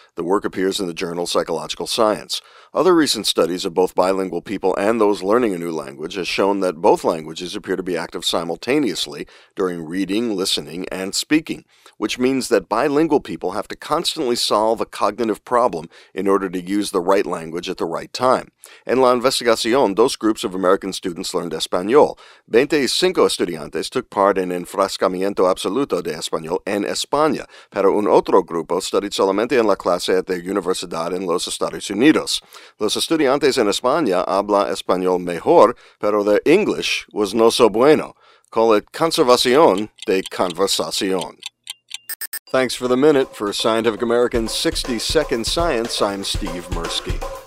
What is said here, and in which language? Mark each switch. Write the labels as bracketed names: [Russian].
[English] The work appears in the journal Psychological Science. Other recent studies of both bilingual people and those learning a new language has shown that both languages appear to be active simultaneously during reading, listening, and speaking, which means that bilingual people have to constantly solve a cognitive problem in order to use the right language at the right time. En la investigación, dos groups of American students learned Español. [Spanish] 25 estudiantes took part in Enfrascamiento Absoluto de Español en España, pero un otro grupo studied solamente en la clase at their universidad en los Estados Unidos. Los estudiantes en España habla español mejor, pero their English was no so bueno. Call it conservación de conversación. [English] Thanks for the minute. For Scientific American 60 Second Science, I'm Steve Mirsky.